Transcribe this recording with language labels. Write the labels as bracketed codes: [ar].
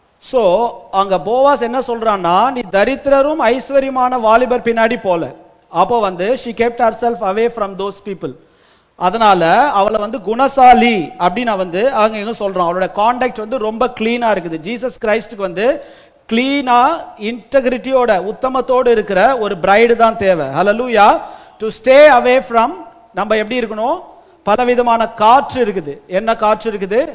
[ta] So அங்க Boaz என்ன சொல்றான்னா, நீ தரித்திரரும் ஐஸ்வர்யமான வாலிபர் பின்னாடி போல. அப்போ வந்து [en] she kept herself away from those people. [ta] அதனால அவளை வந்து குணசாலி அப்படின்னு நான் வந்து அங்க சொல்றான். அவளோட கான்டக்ட் வந்து ரொம்ப கிளீனா இருக்குது. ஜீசஸ் கிரைஸ்டுக்கு வந்து கிளீனா இன்டெகிரிட்டியோட உத்தமத்தோடு இருக்கிற ஒரு பிரைடு தான் தேவை. ஹல்லேலூயா. [en] to stay away from, [ta] நம்ம எப்படி இருக்கணும், பலவிதமான காற்று இருக்குது. என்ன காற்று இருக்குது?